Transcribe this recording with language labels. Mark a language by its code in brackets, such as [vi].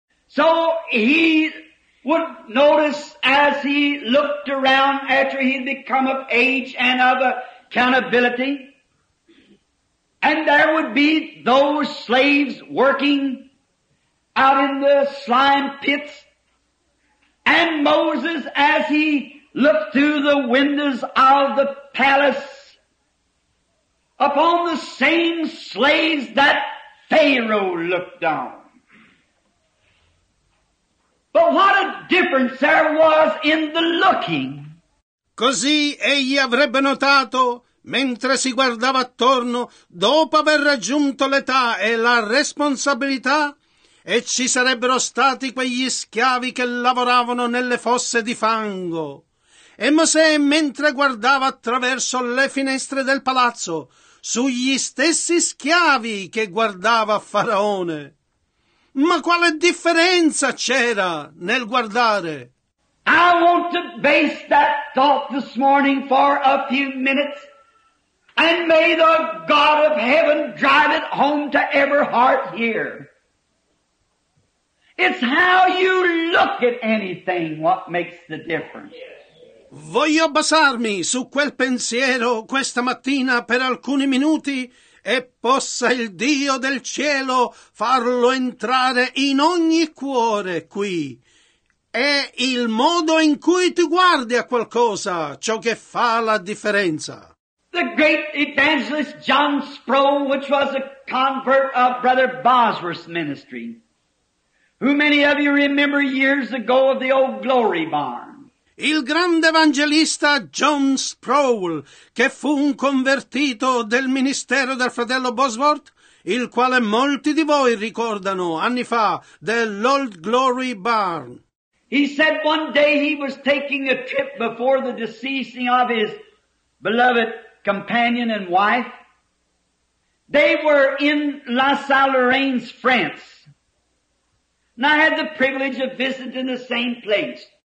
[en] So he would notice as he looked around after he'd become of age and of accountability, and there would be those slaves working out in the slime pits, and Moses as he looked through the windows of the palace upon the same slaves that Pharaoh looked on. But what a difference there was in the looking. [it] Così egli avrebbe notato, mentre si guardava attorno, dopo aver raggiunto l'età e la responsabilità, e ci sarebbero stati quegli schiavi che lavoravano nelle fosse di fango. E Mosè, mentre guardava attraverso le finestre del palazzo, sugli stessi schiavi che guardava Faraone. Ma quale differenza c'era nel guardare? [en] I want to base that thought this morning for a few minutes, and may the God of heaven drive it home to every heart here. It's how you look at anything what makes the difference. [it] Voglio basarmi su quel pensiero questa mattina per alcuni minuti, e possa il Dio del cielo farlo entrare in ogni cuore qui. È il modo in cui tu guardi a qualcosa ciò che fa la differenza. [en] The great evangelist John Sproul, which was a convert of Brother Bosworth's ministry, who many of you remember years ago of the old Glory Barn. [it] Il grande evangelista John Sproul, che fu un convertito del ministero del fratello Bosworth, il quale molti di voi ricordano anni fa dell'Old Glory Barn. [en] He said one day he was taking a trip before the deceasing of his beloved companion and wife. They were in La Salle-Lorraine, France. And I had the privilege of visiting the same place.